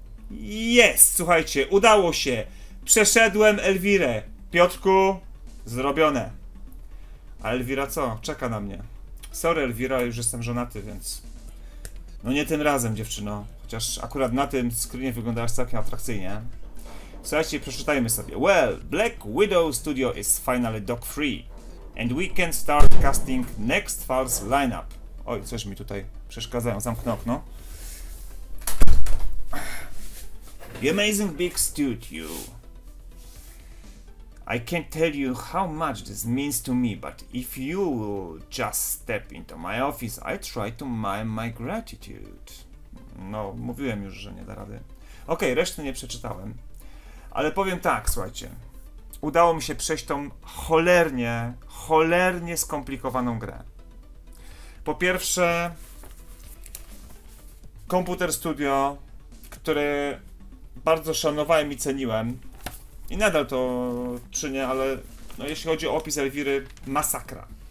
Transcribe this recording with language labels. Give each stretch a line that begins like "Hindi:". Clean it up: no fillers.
Polish: Jest, słuchajcie. Udało się. Przeszedłem Elwirę. Piotrku. Zrobione. A Elwira co? Czeka na mnie. Sorry Elwira, już jestem żonaty, więc... No nie tym razem, dziewczyno. Chociaż akurat na tym screenie wyglądasz całkiem atrakcyjnie. Słuchajcie, przeczytajmy sobie.
English: Well, Black Widow Studio is finally dog-free. And we can start casting next fall's lineup.
Polish: Oj, coś mi tutaj przeszkadzają. Zamknę okno.
English: The Amazing Big Studio. I can't tell you how much this means to me, but if you will just step into my office, I try to mime my gratitude.
Polish: No, mówiłem już, że nie da rady. Okej, resztę nie przeczytałem. Ale powiem tak, słuchajcie. Udało mi się przejść tą cholernie skomplikowaną grę. Po pierwsze, Computer Studio, które bardzo szanowałem i ceniłem, i nadal to czynię, ale no jeśli chodzi o opis Elwiry, masakra.